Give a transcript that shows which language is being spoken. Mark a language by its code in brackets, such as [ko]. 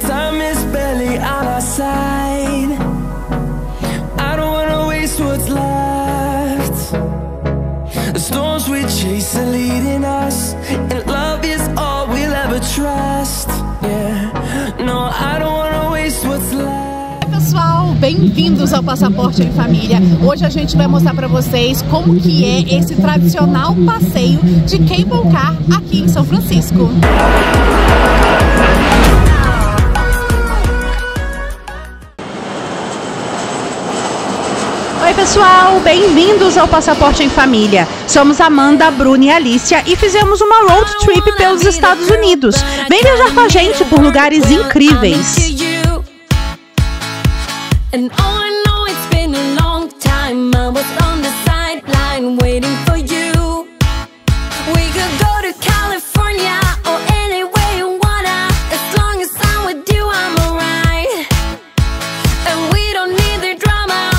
[en] Time is barely on our side. I don't wanna waste what's left. The storms we chase are leading us, and love is all we'll ever trust. Yeah, no, I don't wanna waste what's left. [pt] Bem-vindos ao Passaporte em Família. Hoje a gente vai mostrar para vocês como que é esse tradicional passeio de cable car aqui em São Francisco. Oi pessoal, bem-vindos ao Passaporte em Família. Somos Amanda, Bruna e Alicia e fizemos uma road trip pelos Estados Unidos. Vem viajar com a gente por lugares incríveis. [en] And oh, I know it's been a long time. I was on the sideline waiting for you. We could go to California or anywhere you wanna. As long as I'm with you, I'm alright. And we don't need the drama.